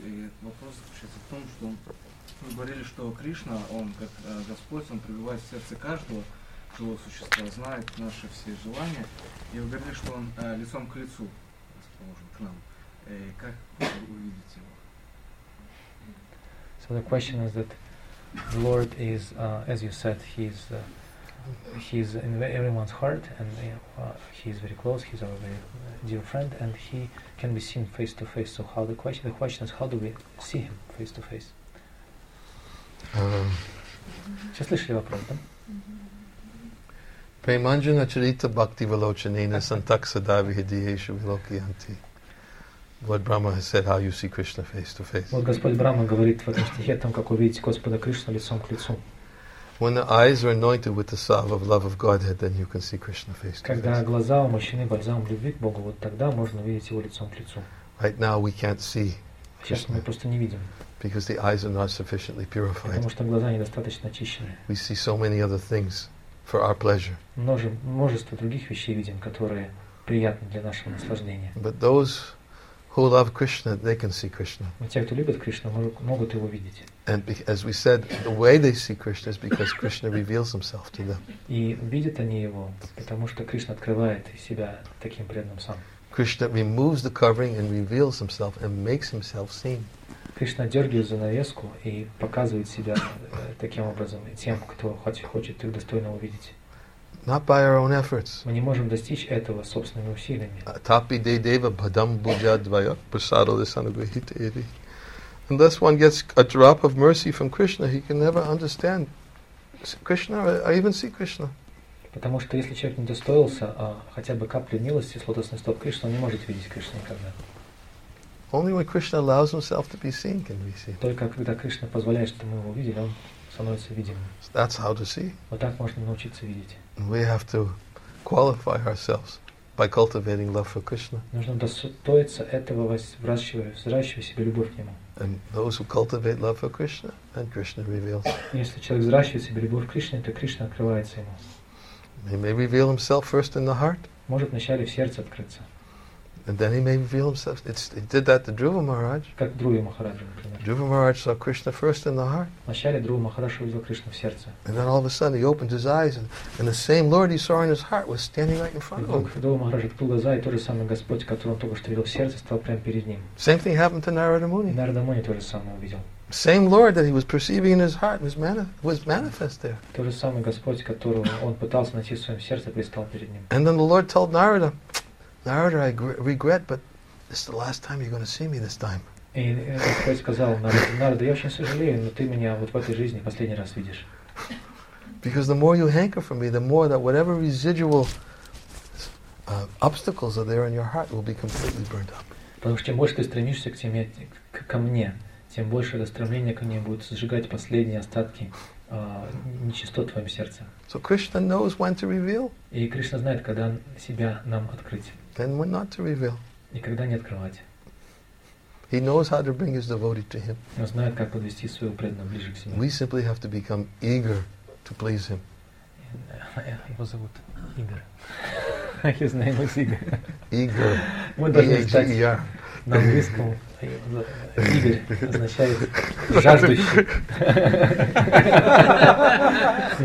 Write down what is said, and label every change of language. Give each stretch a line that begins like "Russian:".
Russian: И вопрос заключается в том, что вы говорили, что Кришна, он как Господь, он пребывает в сердце каждого живого существа, знает наши все желания. И вы говорили, что он лицом к лицу расположен к нам. И как увидеть его?
English: So the question is that the Lord is, as you said, he's He's in everyone's heart, and he's very close. He's our very dear friend, and he can be seen face to face. So, how the question is, how do we see him face to face?
Russian: Сейчас слышали вопрос, да?
Sanskrit: Преманджана чарита бхакти валочанина сантаксадави хидиеша вилокианти.
English: Lord Brahma has said how you see Krishna face to face.
Russian: Вот Господь Брама говорит в этом стихе о том, как увидеть Господа Кришну лицом к лицу.
English: When the eyes are anointed with the salve of love of Godhead, then you can see Krishna face to face.
Russian: Когда глаза умощены бальзамом любви к Богу, вот тогда можно видеть его лицом к лицу.
English: Right now we can't see.
Russian: Сейчас мы просто не видим.
English: Because the eyes are not sufficiently purified.
Russian: Потому что глаза недостаточно очищены.
English: We see so many other things for our pleasure.
Russian: Множество других вещей видим, которые приятны для нашего наслаждения.
English: But those who love Krishna, they can see Krishna.
Russian: Но те, кто любит Кришну, могут его видеть.
English: And as we said, the way they see Krishna is because Krishna reveals himself to them.
Russian: И видят они его, потому что Кришна открывает себя таким преданным сам.
English: Krishna removes the covering and reveals himself and makes himself seen.
Russian: Кришна дергает занавеску и показывает себя таким образом тем, кто хочет их достойно увидеть.
English: Not by our own efforts.
Russian: Мы не можем достичь этого собственными усилиями.
Sanskrit: Tapi de deva padam buja dvayak prasadale sanugrahita iti.
English: Unless one gets a drop of mercy from Krishna, he can never understand Krishna or even see Krishna.
Russian: Потому что если человек не достоился хотя бы капли милости с лотосных стоп Кришны, он не может видеть Кришну никогда.
English: Only when Krishna allows himself to be seen can we see.
Russian: Только когда Кришна позволяет, чтобы мы его видели, он становится видимым.
English: That's how to see.
Russian: Вот так можно научиться видеть.
English: We have to qualify ourselves by cultivating love for Krishna.
Russian: Нужно достоиться этого, взращивая себе любовь к нему.
English: And those who cultivate love for Krishna, then Krishna reveals.
Russian: Если человек взращивает себе любовь к Кришне, то Кришна открывается ему.
English: He may reveal himself first in the heart.
Russian: Может вначале в сердце открыться.
English: And then he may reveal himself. He did that to Dhruva Maharaj.
Russian: Как Друва Махараджа, например.
English: Dhruva Maharaj saw Krishna first in the heart.
Russian: Вначале Друва Махарадж увидел Кришну в сердце.
English: And then all of a sudden he opened his eyes, and the same Lord he saw in his heart was standing right in front of him.
Russian: Друва Махарадж открыл глаза, и тот же самый Господь, которого он только что видел в сердце, стал прямо перед ним.
English: Same thing happened to Narada Muni.
Russian: Narada Muni тоже самое увидел.
English: Same Lord that he was perceiving in his heart was manifest there. Тот же самый Господь, которого он пытался найти в своем сердце, предстал перед ним. And then the Lord told Narada. Narada, I regret, but this is the last time you're going to see me this time.
Russian: И Господь сказал Нарада, я очень сожалею, но ты меня вот в этой жизни последний раз видишь.
English: Because the more you hanker for me, the more that whatever residual obstacles are there in your heart will be completely burned up.
Russian: Потому что чем больше ты стремишься к теме, ко мне, тем больше это стремление ко мне будет сжигать последние остатки нечистот в твоем сердце.
English: So Krishna knows when to reveal.
Russian: И Кришна знает, когда себя нам открыть.
English: Then when not to reveal.
Russian: Никогда не открывать.
English: He knows how to bring his devotee to him.
Russian: Он знает, как подвести своего преданного ближе к себе.
English: We simply have to become eager to please him.
Russian: Его зовут Игорь.
English: His name is Igor.
Russian: Igor. Мы должны стать на английском. Игорь означает жаждущий.